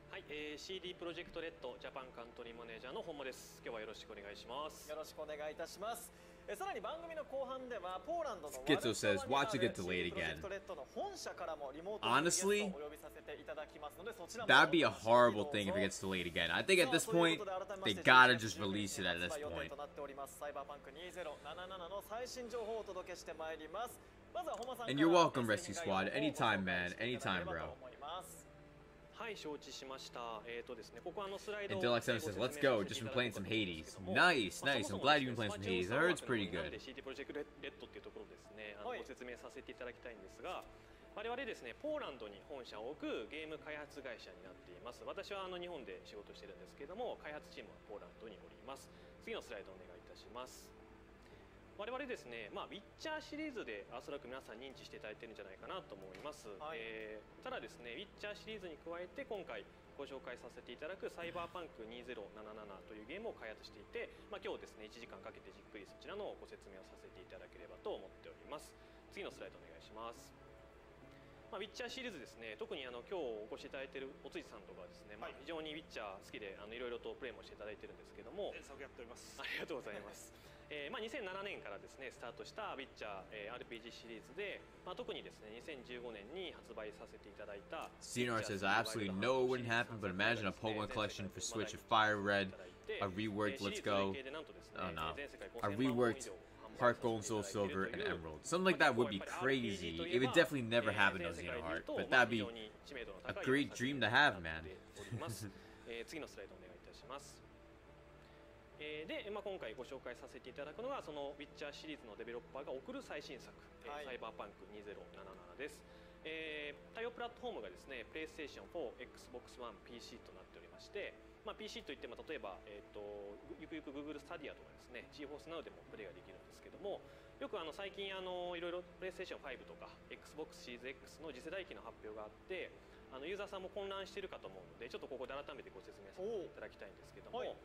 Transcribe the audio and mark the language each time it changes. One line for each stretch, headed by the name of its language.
Japanese: はい、CD プロジェクトレッドジャパンカントリーマネージャーの本間です。今日はよろしくお願いします。よろしくお願いいたします。さらに番組の後半では、ポーランドのワルシャワにある CD プロジェクトレッドの本社からもリモートのゲストをお呼びさせていただきますので、そちらも
English: That'd be a horrible thing if it gets delayed again. I think at this point they gotta just release it at this point.
Japanese: サイバーパンク2077の最新情報をお届けしてまいります。まずは本間さん、
English: And you're welcome, Rescue Squad. Anytime, man. Anytime, bro.
Japanese: はい、承知しました。ですね、ここはスライド
English: を。Deluxe says, "Let's go. Just been playing some Hades. Nice, nice. I'm glad you've been playing some Hades. I heard it's pretty good."
Japanese: CD Projekt Red っていうところですね、はい、ご説明させていただきたいんですが、我々ですね、ポーランドに本社を置くゲーム開発会社になっています。私は日本で仕事してるんですけれども、開発チームはポーランドにおります。次のスライドお願いいたします。我々ですね、まあ、ウィッチャーシリーズでおそらく皆さん認知していただいているんじゃないかなと思います、はい、ただですね、ウィッチャーシリーズに加えて今回ご紹介させていただくサイバーパンク2077というゲームを開発していて、まあ、今日ですね、1時間かけてじっくりそちらのご説明をさせていただければと思っております。次のスライドお願いします。まあ、ウィッチャーシリーズですね、特に今日お越しいただいているおつじさんとかですね、はい、まあ、非常にウィッチャー好きでいろいろとプレイもしていただいているんですけども、全作やっております。ありがとうございます。まあ、2007年からですね、スタートしたウィッチャー RPG シリーズで、まあ、特にですね、2015年に発売させていただいた
English: CNR says, I absolutely know it wouldn't happen, but imagine a Pokemon collection for Switch of Fire Red, a reworked Let's Go, oh no, a reworked Heart Gold and Soul Silver and Emerald. Something like that would be crazy. It would definitely never happen to XenoHeart, but that'd be a great dream to have, man.
Japanese: 次のスライドお願いいたします。で、まあ、今回ご紹介させていただくのが、そのウィッチャーシリーズのデベロッパーが送る最新作、はい、サイバーパンク2077です。対応プラットフォームがですね、プレイステーション4、Xbox One、PC となっておりまして、まあ、PC といっても例えば、ゆくゆく Google Stadia とかですね、GeForce などでもプレイができるんですけども、よく最近いろいろプレイステーション5とか Xbox Series X の次世代機の発表があって、ユーザーさんも混乱しているかと思うので、ちょっとここで改めてご説明させていただきたいんですけども、